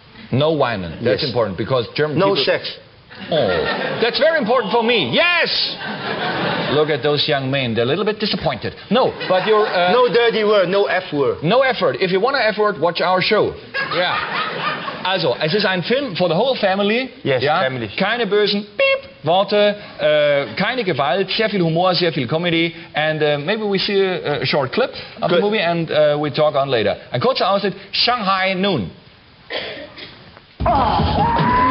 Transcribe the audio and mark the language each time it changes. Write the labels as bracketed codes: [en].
[en] No violence. That's important because German no people... sex. Oh, that's very important for me. Yes! Look at those young men. They're a little bit disappointed. No, but you're... No dirty word. No F word. No effort. If you want an F word, watch our show. [de] Yeah. Also, es ist ein Film [en] for the whole family. Yes, family. [de] Keine bösen Beep Worte, keine Gewalt, sehr viel Humor, sehr viel Comedy. [en] And maybe we see a short clip of the movie and we talk on later. [de] Ein kurzer Ausschnitt, Shanghai Noon. Oh.